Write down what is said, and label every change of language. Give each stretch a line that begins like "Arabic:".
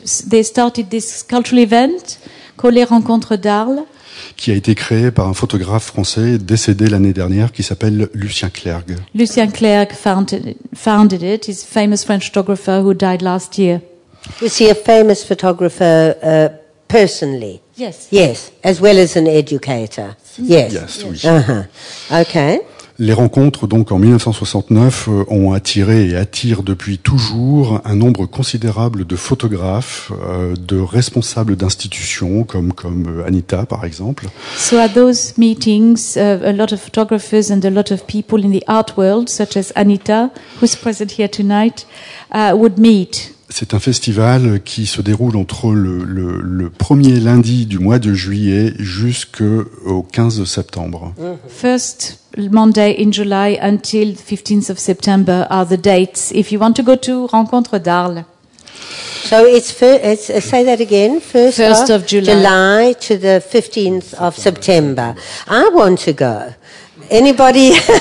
English: They started this cultural event called les Rencontres d'Arles.
French: Qui a été créé par un photographe français décédé l'année dernière, qui s'appelle Lucien Clergue.
English: Lucien Clergue founded it. He's a famous French photographer who died last year. Was he a famous photographer personally? Yes. Yes, as well as an educator. Yes. Yes, oui. Uh-huh. Okay.
French: Les rencontres, donc, en 1969, ont attiré et attirent depuis toujours un nombre considérable de photographes, de responsables d'institutions, comme Anita, par exemple.
English: So at those meetings, a lot of photographers and a lot of people in the art world, such as Anita, who's present here tonight, would meet.
French: C'est un festival qui se déroule entre le premier lundi du mois de juillet jusqu'au 15 septembre.
English: First Monday in July until 15th of September are the dates if you want to go to Rencontre d'Arles. So it's say that again. First of July to the 15th of September. I want to go. Anybody?